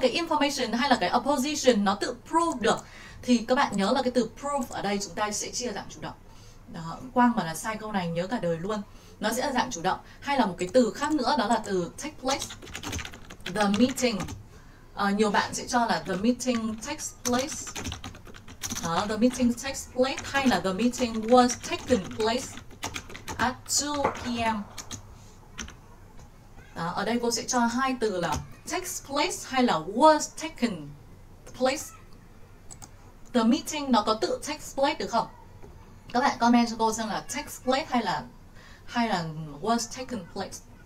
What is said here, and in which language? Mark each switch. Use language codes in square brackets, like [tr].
[vi] Cái information hay là cái opposition nó tự prove được. Thì các bạn nhớ là cái từ proof ở đây chúng ta sẽ chia dạng chủ động. Đó, Quang mà là sai câu này nhớ cả đời luôn. Nó sẽ là dạng chủ động. Hay là một cái từ khác nữa, đó là từ take place, the meeting. Nhiều bạn sẽ cho là [en] the meeting takes place. [vi] Đó, [en] the meeting takes place. [vi] Hay là [en] the meeting was taken place at 2 p.m. [vi] Đó, ở đây cô sẽ cho hai từ là takes place hay là was taken place. The meeting nó có tự [en] takes place [vi] được không? Các bạn comment cho cô xem là takes place hay là [en] was taken place.